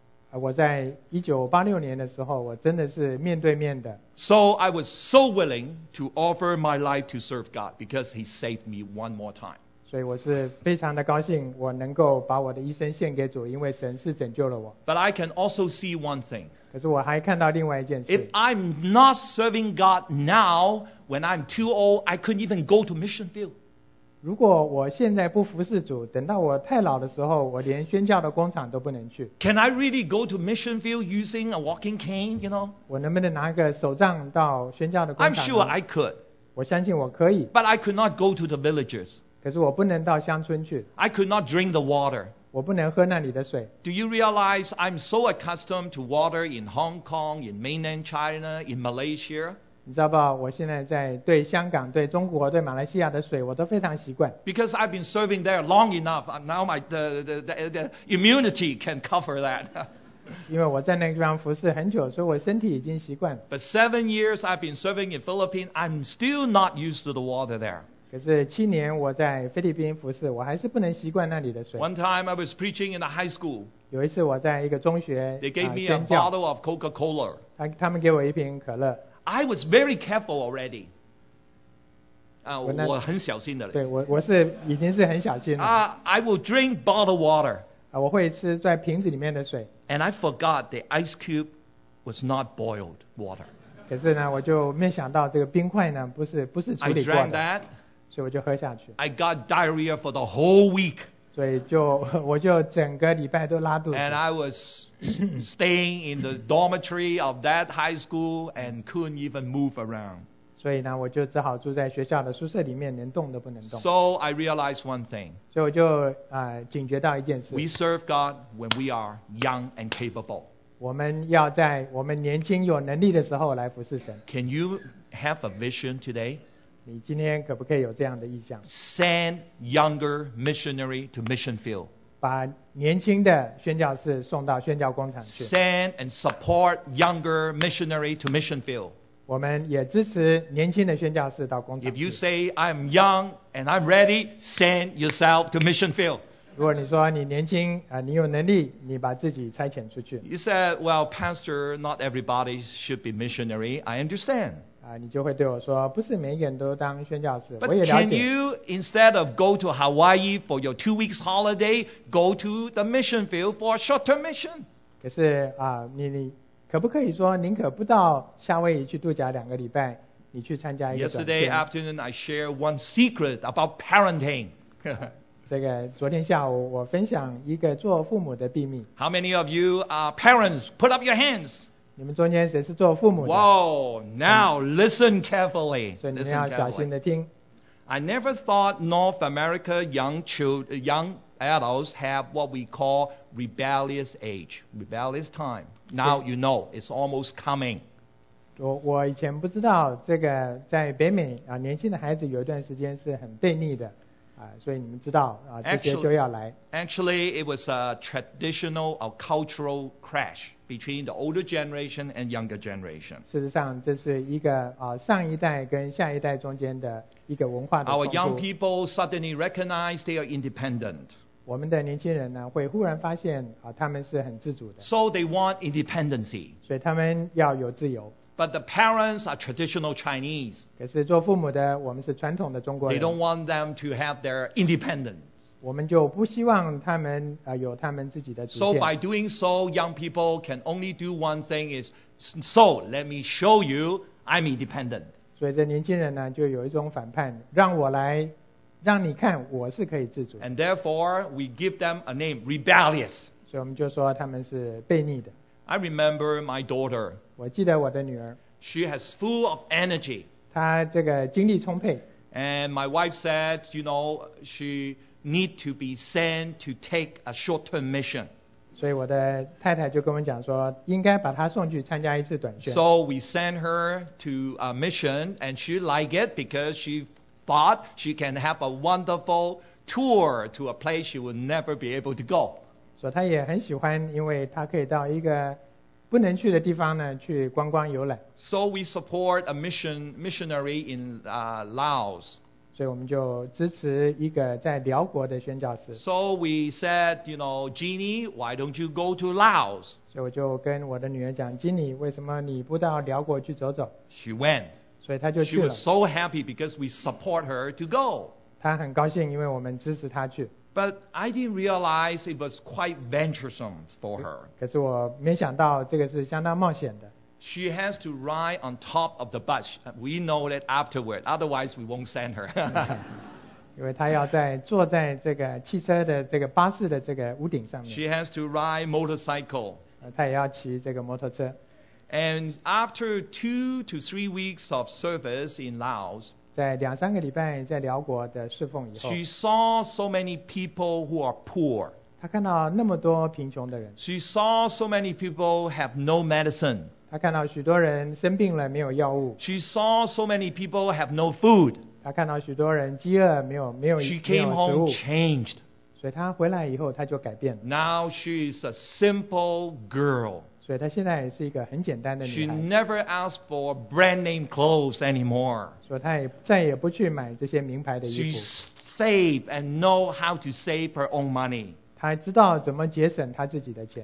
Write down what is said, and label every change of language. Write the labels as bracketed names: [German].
[Chinese] 我在1986年的时候，我真的是面对面的。 [English] So I was so willing to offer my life to serve God because He saved me one more time. [Chinese] 所以我是非常的高兴，我能够把我的一生献给主，因为神是拯救了我。 [English] But I can also see one thing. [Chinese] 可是我还看到另外一件事。 [English] If I'm not serving God now,When I'm too old, I couldn't even go to mission field. [Chinese] 如果我现在不服侍主，等到我太老的时候，我连宣教的工厂都不能去。 [English] Can I really go to mission field using a walking cane, you know? [Chinese] 我能不能拿一个手杖到宣教的工厂呢？ [English] I'm sure I could. [Chinese] 我相信我可以。 [English] But I could not go to the villages. [Chinese] 可是我不能到乡村去。 [English] I could not drink the water. [Chinese] 我不能喝那里的水。 [English] Do you realize I'm so accustomed to water in Hong Kong, in mainland China, in Malaysia? [Chinese] 你知道吧，我现在在对香港、对中国、对马来西亚的水，我都非常习惯。 [English] Because I've been serving there long enough, now my the immunity can cover that. [Chinese] 因为我在那个地方服侍很久，所以我身体已经习惯。 [English] But 7 years I've been serving in Philippines, I'm still not used to the water there. [Chinese] 可是七年我在菲律宾服侍，我还是不能习惯那里的水。 [English] One time I was preaching in a high school. [Chinese] 有一次我在一个中学。 [English] They gave me a bottle of Coca-Cola. [Chinese] 他们给我一瓶可乐。 [English] I was very careful already. [Chinese] 我很小心的。对，我是已经是很小心了。 [English] I will drink bottled water. [Chinese] 我会吃在瓶子里面的水。 [English] And I forgot the ice cube was not boiled water. [Chinese] 可是呢，我就没想到这个冰块呢不是处理过的。 [English] I drank that. [Chinese] 所以我就喝下去。 [English] I got diarrhea for the whole week. [Chinese] 所以我就整个礼拜都拉肚子。 [English] And I was staying in the dormitory of that high school and couldn't even move around. [Chinese] 所以呢，我就只好住在学校的宿舍里面，连动都不能动。 [English] So I realized one thing. [Chinese] 所以我就警觉到一件事。 [English] We serve God when we are young and capable. [Chinese] 我们要在我们年轻有能力的时候来服侍神。 [English] Can you have a vision today? [Chinese] 你今天可不可以有这样的意向？ [English] Send younger missionary to mission field. [Chinese] 把年轻的宣教士送到宣教工厂去。 [English] Send and support younger missionary to mission field. [Chinese] 我们也支持年轻的宣教士到工厂。 [English] If you say I'm young and I'm ready, send yourself to mission field. [Chinese] 如果你说你年轻你有能力，你把自己差遣出去。 [English] You said, well, pastor, not everybody should be missionary. I understand. [Chinese] 你就会对我说，不是每一个人都当宣教士。 [English] But can you instead of go to Hawaii for your 2 weeks holiday, go to the mission field for a short-term mission? [Chinese] 可是你。可不可以说宁可不到夏威夷去度假两个礼拜，你去参加一个短期。 [English] Yesterday afternoon, I share one secret about parenting. [Chinese] 这个昨天下午我分享一个做父母的秘密。 [English] How many of you are parents? Put up your hands. [Chinese] 你们中间谁是做父母的？ [English] Wow, now listen carefully. [Chinese] 所以你们要小心的听。 [English] I never thought North America young adults have what we call rebellious age, rebellious time. Now you know, it's almost coming. [Chinese] 我以前不知道这个在北美年轻的孩子有一段时间是很悖逆的所以你们知道这些就要来。 [English] Actually, it was a traditional or cultural crash between the older generation and younger generation. [Chinese] 事实上这是一个上一代跟下一代中间的一个文化的冲突。 [English] Our young people suddenly recognize they are independent. [Chinese] 我们的年轻人呢，会忽然发现他们是很自主的。 [English] So they want independency. [Chinese] 所以他们要有自由。 [English] But the parents are traditional Chinese. [Chinese] 可是做父母的，我们是传统的中国人。 [English] They don't want them to have their independence. [Chinese] 我们就不希望他们有他们自己的主见。 [English] So by doing so, young people can only do one thing: is so let me show you I'm independent. [Chinese] 所以这年轻人呢，就有一种反叛，让我来。让你看我是可以自主。 [English] And therefore, we give them a name, rebellious. [Chinese] 所以我们就说他们是悖逆的。 [English] I remember my daughter. [Chinese] 我记得我的女儿。 [English] She has full of energy. [Chinese] 她这个精力充沛。 [English] And my wife said, you know, she need to be sent to take a short-term mission. [Chinese] 所以我的太太就跟我讲说，应该把她送去参加一次短宣。 [English] So we sent her to a mission, and she liked it because she. Thought she can have a wonderful tour to a place she would never be able to go. [Chinese] So, 她也很喜欢，因为她可以到一个不能去的地方呢，去观光游览。 [English] So we support a missionary in Laos. [Chinese] 所以我们就支持一个在辽国的宣教士。 [English] So we said, you know, Jeannie, why don't you go to Laos? [Chinese] 所以我就跟我的女儿讲 ，Jeannie， 为什么你不到辽国去走走 [English] ？She went. [Chinese] 所以他就去了。 [English] She was so happy because we support her to go. [Chinese] 他很高兴，因为我们支持他去。 [English] But I didn't realize it was quite venturesome for her. [Chinese] 可是我没想到这个是相当冒险的。 [English] She has to ride on top of the bus. We know that afterward. Otherwise, we won't send her. [Chinese] 因为她要在坐在这个汽车的这个巴士的这个屋顶上面。 [English] She has to ride motorcycle. [Chinese] 她也要骑这个摩托车。 [English] And after 2 to 3 weeks of service in Laos, [Chinese] 在两三个礼拜在辽国的侍奉以后 [English] she saw so many people who are poor. [Chinese] 她看到那么多贫穷的人 [English] She saw so many people have no medicine. [Chinese] 她看到许多人生病了没有药物。 [English] She saw so many people have no food. [Chinese] 她看到许多人饥饿没有食物。 [English] She came home changed. [Chinese] 所以她回来以后她就改变了。 [English] Now she is a simple girl. [Chinese] 所以她现在也是一个很简单的女孩。 [English] She never asked for brand name clothes anymore. [Chinese] 所以她也再也不去买这些名牌的衣服。 [English] She saved and know how to save her own money. [Chinese] 她知道怎么节省她自己的钱。